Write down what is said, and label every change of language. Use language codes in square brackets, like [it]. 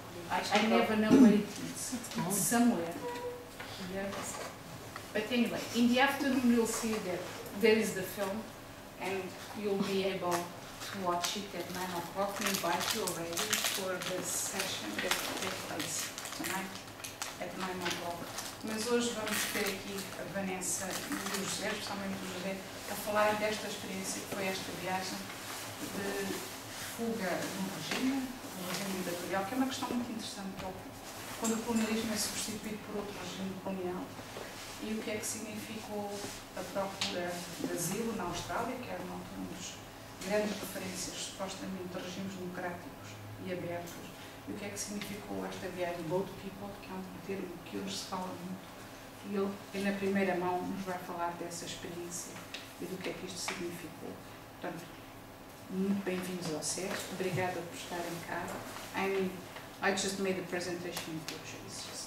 [en] I never know where it is. It's somewhere. Yes. But anyway, in the afternoon you'll see that there is the film and you'll be able to watch it at 9 o'clock. We invite you already for the session that will take place tonight at 9 o'clock. [pt] Mas hoje vamos ter aqui a Vanessa e o José, especialmente o José, a falar desta experiência que foi esta viagem de fuga de um regime ditatorial, que é uma questão muito interessante, quando o colonialismo é substituído por outro regime colonial, e o que é que significou a procura de asilo na Austrália, que era uma das grandes referências, supostamente, de regimes democráticos e abertos. E o que é que significou esta viagem Boat People, que é um termo que hoje se fala muito. E ele, na primeira mão, nos vai falar dessa experiência e do que é que isto significou. Portanto, muito bem-vindos ao SES. Obrigada por estarem cá. [en] I just made a presentation in Portuguese.